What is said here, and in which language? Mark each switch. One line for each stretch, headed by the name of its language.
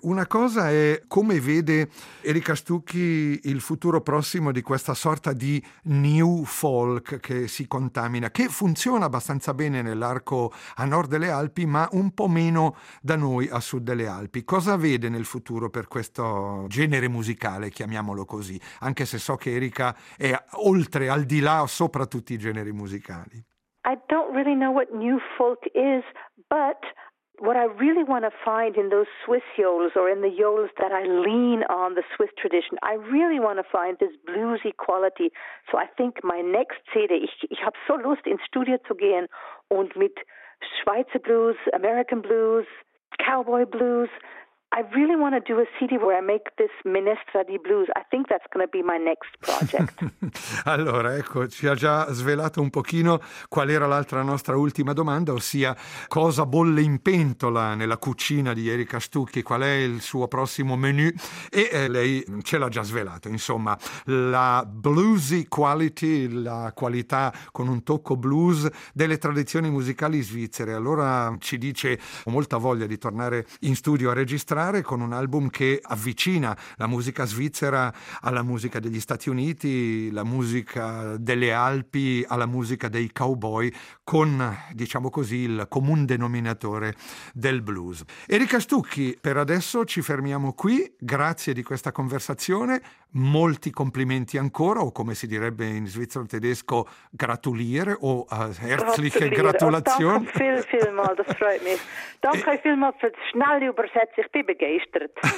Italian: Una cosa è come vede Erika Kashtuki il futuro prossimo di questa sorta di new folk che si contamina, che funziona abbastanza bene nell'arco a nord delle Alpi, ma un po' meno da noi a sud delle Alpi. Cosa vede nel futuro per questo genere musicale, chiamiamolo così, anche se so che Erika è oltre, al di là, sopra tutti i generi musicali?
English: I don't really know what new folk is, but what I really want to find in those Swiss yodels, or in the yodels that I lean on the Swiss tradition, I really want to find this bluesy quality. So I think my next CD,
German: ich habe so Lust, ins Studio zu gehen und mit Schweizer Blues, American Blues, Cowboy Blues.
English: I really want to do a CD where I make this
Italian: Minestra di Blues.
English: I think that's going to be my next project.
Italian: Allora, ecco, ci ha già svelato un pochino qual era l'altra nostra ultima domanda, ossia cosa bolle in pentola nella cucina di Eric Kashtuki, qual è il suo prossimo menu, e lei ce l'ha già svelato. Insomma, la bluesy quality, la qualità con un tocco blues delle tradizioni musicali svizzere. Allora ci dice, ho molta voglia di tornare in studio a registrare entrare con un album che avvicina la musica svizzera alla musica degli Stati Uniti, la musica delle Alpi alla musica dei cowboy, con, diciamo così, il comune denominatore del blues. Erika Stucchi, per adesso ci fermiamo qui, grazie di questa conversazione, molti complimenti ancora, o come si direbbe in svizzero tedesco, gratuliere o herzliche gratulazioni.
German: Oh, danke vielmals, das freut mich. Danke vielmals für die schnelle Übersetzung, ich bin begeistert.